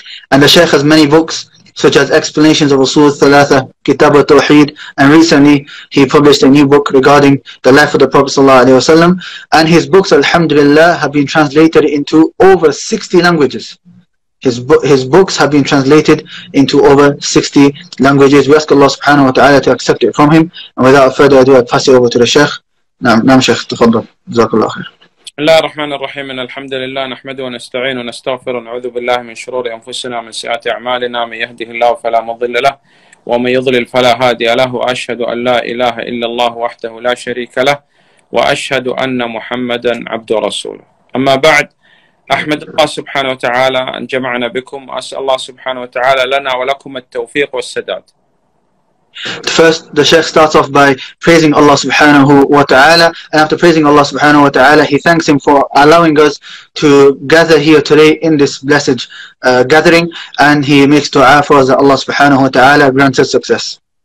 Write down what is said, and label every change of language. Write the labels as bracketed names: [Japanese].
[English] And the Sheikh has many books such as Explanations of Usul Thalatha, Kitab al-Tawheed, and recently he published a new book regarding the life of the Prophet sallallahu alaihi wasallam. And his books, alhamdulillah, have been translated into over 60 languages. His books have been translated into over 60 languages. We ask Allah subhanahu wa ta'ala to accept it from him. And without further ado, I pass it over to the Sheikh. [Arabic] Naam Sheikh, tafaddal. Jazakallah khair. الله الرحمن الرحيم، إن الحمد لله نحمده ونستعين ونستغفر ونعوذ بالله من شرور أنفسنا من سيئات أعمالنا، من يهده الله فلا مضل له ومن يضلل فلا هادي له، وأشهد أن لا إله إلا الله وحده لا شريك له، وأشهد أن محمدا عبد رسوله. أما بعد، أحمد الله سبحانه وتعالى أن جمعنا بكم، وأسأل الله سبحانه وتعالى لنا ولكم التوفيق والسداد. [English] First, the Sheikh starts off by praising Allah subhanahu wa ta'ala, and after praising Allah subhanahu wa ta'ala, he thanks him for allowing us to gather here today in this blessed gathering, and he makes dua for us that Allah subhanahu wa ta'ala grants us success.